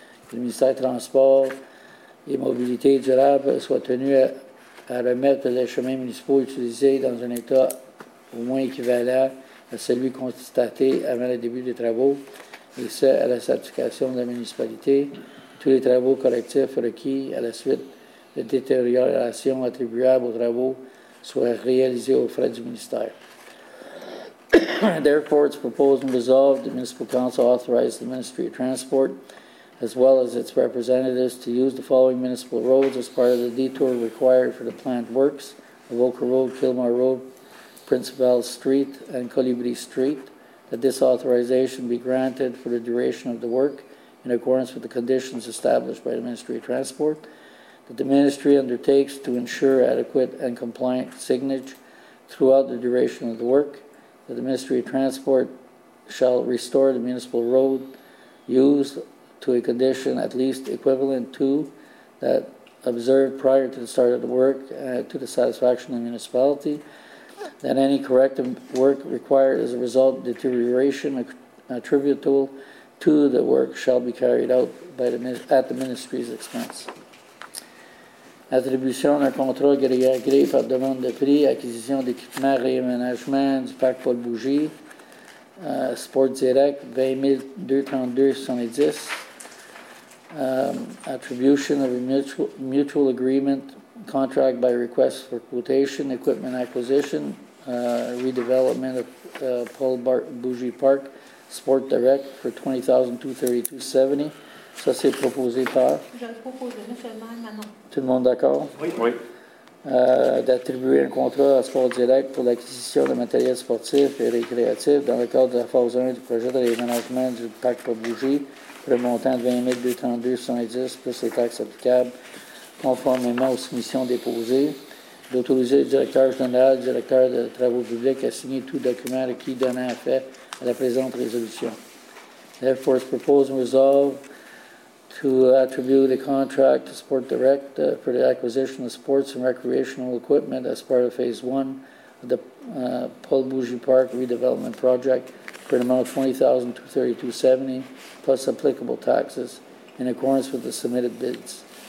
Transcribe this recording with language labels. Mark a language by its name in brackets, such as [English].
[French] Que le ministère des Transports et Mobilité Durable soit tenu à remettre les chemins municipaux utilisés dans un état au moins équivalent à celui constaté avant le début des travaux, et ce, à la certification de la municipalité, tous les travaux correctifs requis à la suite de détérioration attribuable aux travaux soient réalisés aux frais du ministère. [English] Therefore, it's proposed and resolved that the Municipal Council authorize the Ministry of Transport, as well as its representatives, to use the following municipal roads as part of the detour required for the planned works: Avoca Road, Kilmore Road, Principal Street, and Colibri Street. That this authorization be granted for the duration of the work in accordance with the conditions established by the Ministry of Transport. That the Ministry undertakes to ensure adequate and compliant signage throughout the duration of the work. That the Ministry of Transport shall restore the municipal road used to a condition at least equivalent to that observed prior to the start of the work to the satisfaction of the municipality. That any corrective work required as a result of deterioration attributable to the work shall be carried out by the at the Ministry's expense. [French] Attribution d'un contrat gré à gré par demande de prix, acquisition d'équipements, réaménagement du parc Paul Bougie, Sport Direct, 20 232 70. [English] Attribution of a mutual agreement, contract by request for quotation, equipment acquisition, redevelopment of Paul Bougie Park, Sport Direct for $20,232.70. [French] Ça, c'est proposé par... Je le propose, monsieur le maire. Tout le monde d'accord? Oui. D'attribuer un contrat à Sport Direct pour l'acquisition de matériel sportif et récréatif dans le cadre de la phase 1 du projet de réaménagement du parc Paul Bougie pour un montant de 20 232 $ plus les taxes applicables, conformément aux soumissions déposées. D'autoriser le directeur général, directeur de travaux publics, à signer tout document requis donnant effet à la présente résolution. [English] Therefore, it's proposed and resolved to attribute a contract to Sport Direct for the acquisition of sports and recreational equipment as part of phase one of the Paul Bougie Park redevelopment project for an amount of $20,232.70 plus applicable taxes in accordance with the submitted bids.